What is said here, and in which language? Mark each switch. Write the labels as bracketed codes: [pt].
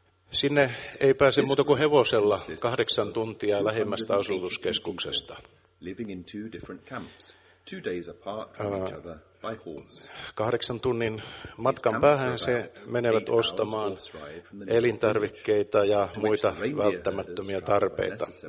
[fi] Sinne ei pääse muuta kuin hevosella 8 tuntia lähimmästä asutuskeskuksesta. [en] Living in two different camps, 2 days apart from each other by horse. [fi] 8 tunnin matkan päähän se menevät ostamaan elintarvikkeita ja muita välttämättömiä tarpeita.